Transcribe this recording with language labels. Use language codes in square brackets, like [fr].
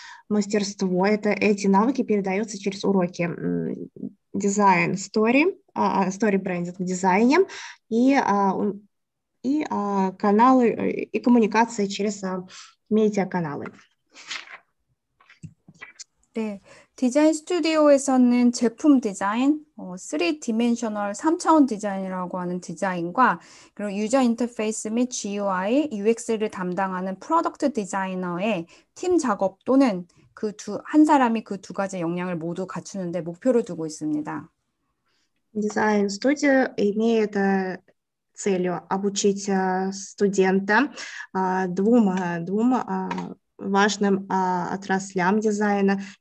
[ru] Мастерство, эти навыки передаются через уроки дизайн стори, стори брендинг дизайне и каналы и коммуникации через медиаканалы. [ko] 네, 디자인 스튜디오에서는 제품 디자인, 3D 3차원 디자인이라고 하는 디자인과 그리고 유저 인터페이스 및 GUI, UX를 담당하는 프로덕트 디자이너의 팀 작업 또는 한 사람이 그두 가지 역량을 모두 갖추는데 목표를 두고 있습니다. [ru] Дизайн студия имеет целью обучить студента двум важным отраслям дизайна.